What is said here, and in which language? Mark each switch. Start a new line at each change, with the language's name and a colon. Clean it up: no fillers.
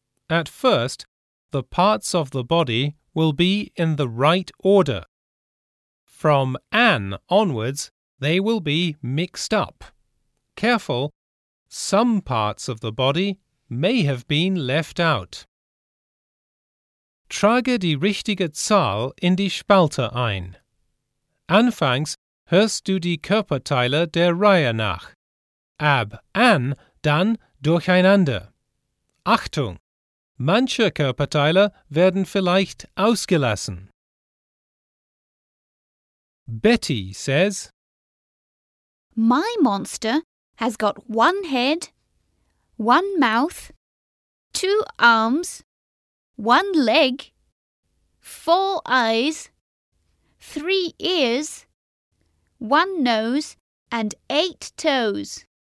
English: At first, the parts of the body will be in the right order. From an onwards, they will be mixed up. Careful, some parts of the body may have been left out.
German: Trage die richtige Zahl in die Spalte ein. Anfangs hörst du die Körperteile der Reihe nach. Ab an dann durcheinander. Achtung! Manche Körperteile werden vielleicht ausgelassen.
English: Betty says, My monster has got one head, one mouth, two arms, one leg, four eyes, three ears, one nose, and eight toes.